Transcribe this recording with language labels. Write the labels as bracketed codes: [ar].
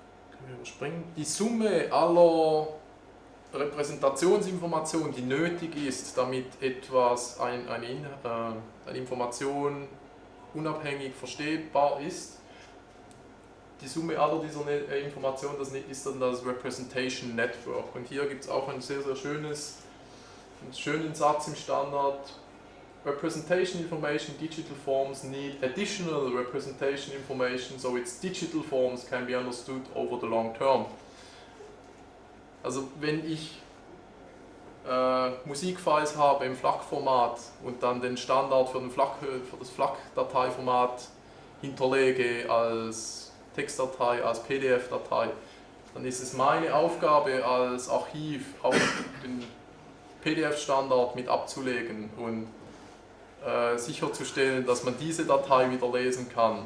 [de] Können wir überspringen? Die Summe aller Repräsentationsinformationen, die nötig ist, damit etwas, eine Information unabhängig verstehbar ist, die Summe aller dieser Informationen, das ist dann das Representation Network. Und hier gibt es auch ein sehr, sehr schönen Satz im Standard. [en] Representation information digital forms need additional representation information so its digital forms can be understood over the long term. [de] Also wenn ich Musikfiles habe im FLAC-Format und dann den Standard für das FLAC-Dateiformat hinterlege als Textdatei, als PDF-Datei, dann ist es meine Aufgabe als Archiv auf den PDF-Standard mit abzulegen und sicherzustellen, dass man diese Datei wieder lesen kann.